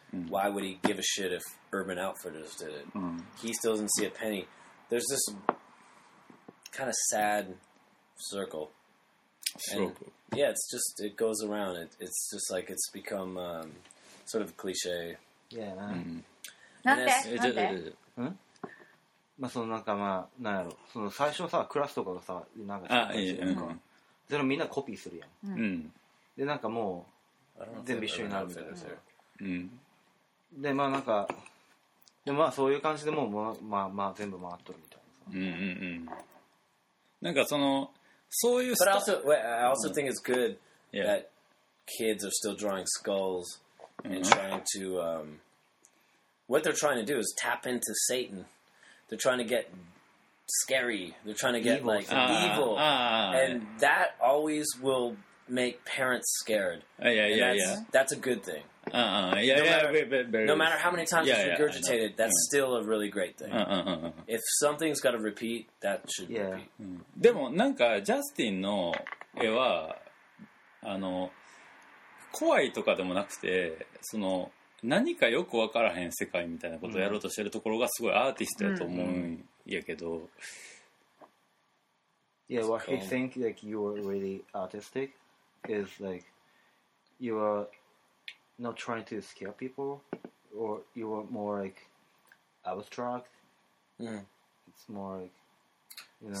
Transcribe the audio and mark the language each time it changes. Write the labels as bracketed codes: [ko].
[en] Mm-hmm. Why would he give a shit if Urban Outfitters did it? Mm-hmm. He still doesn't see a penny. There's this kind of sad circle. And, yeah, it's just, it goes around. It's just like it's become sort of a cliche. Yeah, man. Mm-hmm. Not bad. [ja] まあ、そのなんかまあ、なんやろ、その最初さ、クラスとかがさ、なんか、ああ、いいよ。でもみんなコピーするやん。うん。で、なんかもう、全部一緒になるみたいな。うん。で、まあなんか、でまあそういう感じでもう、まあまあ全部回っとるみたいなさ。うんうんうん。なんかその、そういう [en] But I also, I also think it's good that kids are still drawing skulls and trying to, what they're trying to do is tap into Satan. They're trying to get scary. They're trying to get, evil. Like, evil. And that always will make parents scared. That's a good thing. No matter how many times it's regurgitated, that's still a really great thing. If something's got to repeat, that should repeat. [ja] でもなんかジャスティンの絵はあの怖いとかでもなくてその何かよく分からへん世界みたいなことをやろうとしてるところがすごいアーティストやと思うんやけど。 [en] Yeah, what he think like you are really artistic is like you are not trying to scare people or you are more like abstract. It's more like you know,